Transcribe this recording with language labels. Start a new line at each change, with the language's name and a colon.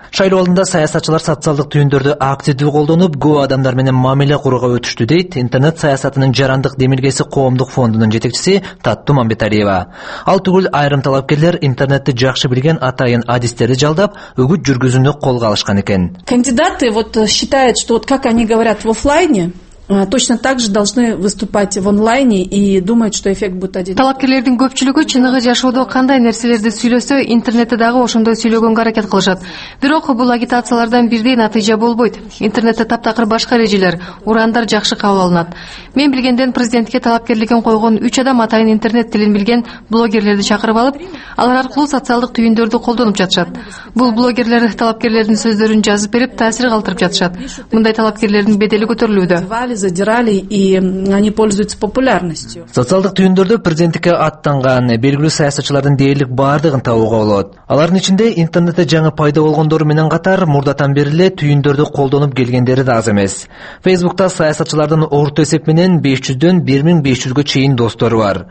Kyrgyz: Шайлоо алдында саясатчылар социалдык түйүндөрдү активдүү колдонуп, көп адамдар менен мамиле курууга өтүштү дейт интернет саясатынын жарандык демилгеси коомдук фондунун жетекчиси Таттуу Мамбетариева. Ал түгүл айрым талапкерлер интернетти жакшы билген атайын адистерди жалдап, үгүт жүргүзүүнү колго алышкан экен.
Russian: Кандидаты вот считают, что вот как они говорят в офлайне, Точно так же должны выступать в онлайне и думать, что эффект будет один.
Kyrgyz: Талапкерлердин көпчүлүгү чыныгы жашоодо кандай нерселерди сүйлөсө, интернетте дагы ошондой сүйлөгөнгө аракет кылышат. Бирок бул агитациялардан бирдей натыйжа болбойт. Интернетте таптакыр башка эрежелер, урандар жакшы кабыл алынат. Мен билгенден президентке талапкерлигин койгон 3 адам атайын интернет тилин билген блогерлерди чакырып алып, алар аркылуу социалдык түйүндөрдү колдонуп жатышат. Бул блогерлер талапкерлердин сөздөрүн жазып берип, таасир калтырып жатышат. Мындай талапкерлердин бедели көтөрүлүүдө.
Russian: Задирали и они пользуются популярностью.
Kyrgyz: Социалдык түйүндөрдө президенттикке аттанган белгилүү саясатчылардын дээрлик бардыгын табууга болот. Алардын ичинде интернетте жаңы пайда болгондору менен катар мурдатан бери эле түйүндөрдү колдонуп келгендери да аз эмес. Facebook'та саясатчылардын орто эсеп менен 500'дөн 1500'гө чейин достору бар.